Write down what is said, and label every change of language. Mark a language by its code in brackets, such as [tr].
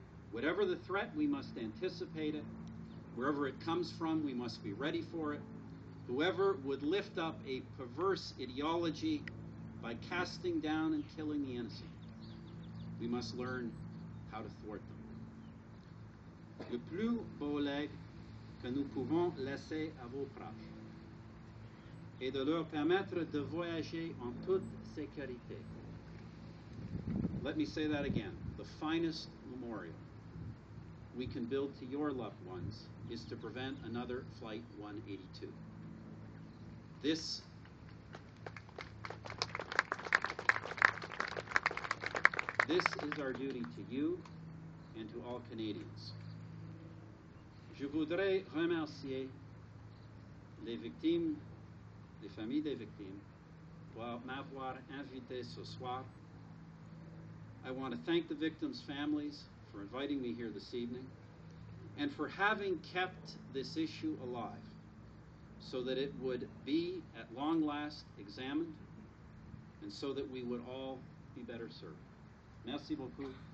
[en] Whatever the threat, we must anticipate it. Wherever it comes from, we must be ready for it. Whoever would lift up a perverse ideology by casting down and killing the innocent, we must learn how to thwart them. [fr] Le plus beau leg que nous pouvons laisser à vos proches et de leur permettre de voyager en toute sécurité. [en] Let me say that again. The finest memorial we can build to your loved ones is to prevent another Flight 182. This is our duty to you and to all Canadians. [fr] Je voudrais remercier les victimes, les familles des victimes, pour m'avoir invité ce soir. [en] I want to thank the victims' families for inviting me here this evening and for having kept this issue alive so that it would be at long last examined and so that we would all be better served. [fr] Merci beaucoup.